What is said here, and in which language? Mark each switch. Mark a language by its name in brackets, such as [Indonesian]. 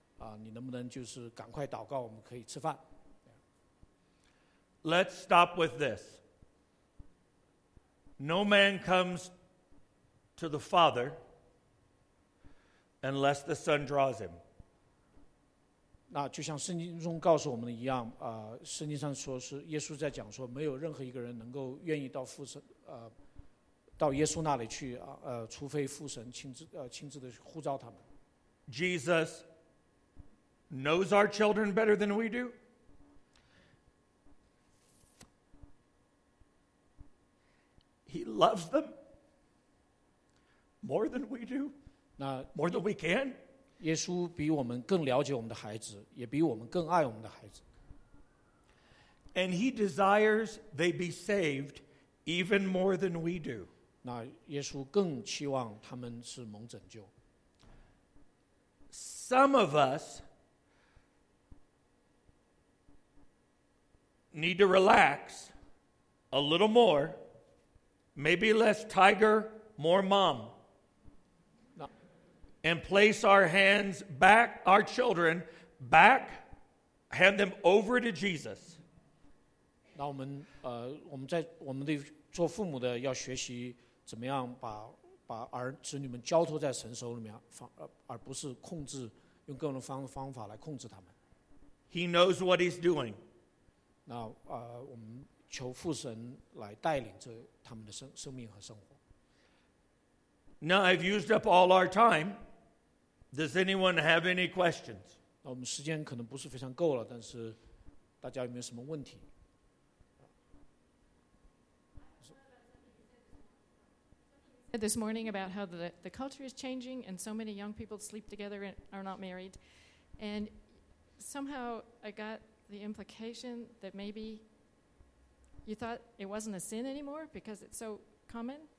[Chinese] 他的媳妇呢，完全没有接触过信仰，不是基督徒。那有一次到了圣诞节期间，那显然是在吃饭之前，在连续2天的时间里面，他母亲就读了5遍的这个圣经中关于耶稣降生的这个那些的经文，终于他的儿子忍不住了，就是说，妈妈，我们知道这个故事在说什么了，你能不能就是赶快祷告，我们可以吃饭。 [English] Let's stop with this. No man comes to the Father unless the Son draws him. [Chinese] 那就像圣经中告诉我们的一样，圣经上说是耶稣在讲说，没有任何一个人能够愿意到父神，到耶稣那里去，除非父神亲自的呼召他们。 [English] Jesus knows our children better than we do. He loves them more than we do, more than we can. [Chinese] 耶稣比我们更了解我们的孩子，也比我们更爱我们的孩子。 [English] And he desires they be saved even more than we do. [Chinese] 那耶稣更期望他们是蒙拯救。 [English] Some of us need to relax a little more, maybe less tiger, more mom, and place our hands back, our children back, hand them over to Jesus. [Chinese] 那我们我们在我们的做父母的要学习怎么样把儿子女们交托在神手里面，而不是控制用各种方法来控制他们。 [English] He knows what he's doing. [Chinese] 那我们求父神来带领着他们的生命和生活。 [English] Now I've used up all our time. Does anyone have any questions? [Chinese] 那我们时间可能不是非常够了，但是大家有没有什么问题？ [English] This morning about how the culture is changing and so many young people sleep together and are not married. And somehow I got the implication that maybe you thought it wasn't a sin anymore because it's so common.